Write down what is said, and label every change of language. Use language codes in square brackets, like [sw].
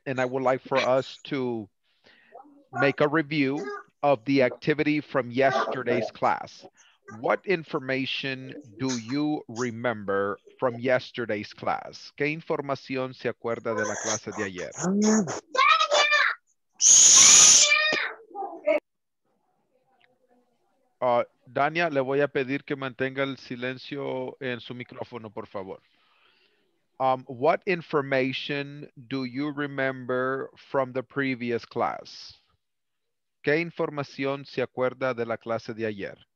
[en] And I would like for us to make a review of the activity from yesterday's class. What information do you remember from yesterday's class? [es] ¿Qué información se acuerda de la clase de ayer? Dania, le voy a pedir que mantenga el silencio en su micrófono, por favor. [en] What information do you remember from the previous class? [es] ¿Qué información se acuerda de la clase de ayer?